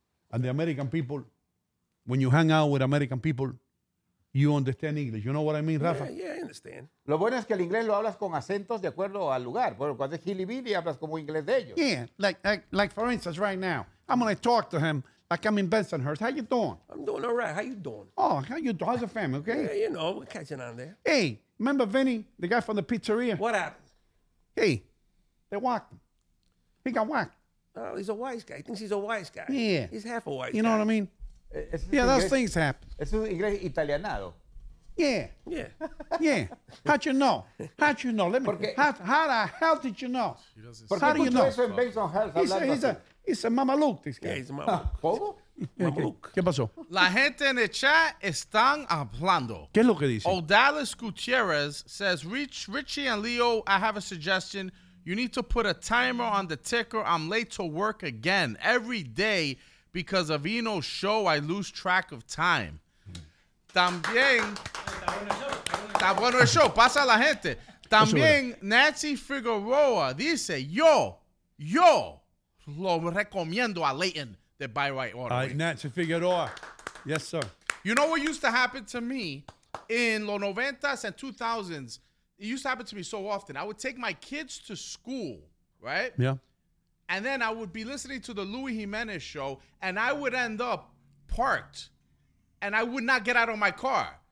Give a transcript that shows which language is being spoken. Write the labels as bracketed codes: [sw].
[en] And the American people, when you hang out with American people, you understand English. You know what I mean, Rafa? Yeah, I understand. [es] Lo bueno es que el inglés lo hablas con acentos de acuerdo al lugar. Bueno, cuando es hillybilly, hablas como inglés de ellos. [en] Yeah, like for instance, right now, I'm going to talk to him like I'm in Bensonhurst. How you doing? I'm doing all right. How you doing? Oh, how you doing? How's the family, okay? Yeah, you know, we're catching on there. Hey, remember Vinny, the guy from the pizzeria? What happened? Hey, they walked him. He got whacked. Oh, he's a wise guy. He thinks he's a wise guy. Yeah. He's half a wise guy. You know guy. What I mean? Yeah, [es] inglés, [en] those things happen. [es] Es un inglés italianado. [en] Yeah. Yeah. Yeah. How'd you know? How'd you know? Let me. [es] Porque, [en] how the hell did you know? How do you know? [es] Eso en [en] Benson Health, he's a mamaluk, this guy. Yeah, he's a mamaluk. ¿Cómo? Mamaluk. [es] ¿Qué pasó? La gente en el chat están hablando. ¿Qué es lo que dice? [en] Odalis Gutierrez says, Richie and Leo, I have a suggestion. You need to put a timer on the ticker. I'm late to work again every day because of Eno's show. I lose track of time. [es] También. Está bueno el show. Pasa a la gente. También Nancy Figueroa dice, yo lo recomiendo a Leighton de Buy Right Order. [en] Nancy Figueroa. Yes, sir. You know what used to happen to me in los 90s and 2000s? It used to happen to me so often. I would take my kids to school, right? Yeah. And then I would be listening to the Luis Jimenez show, and I would end up parked, and I would not get out of my car.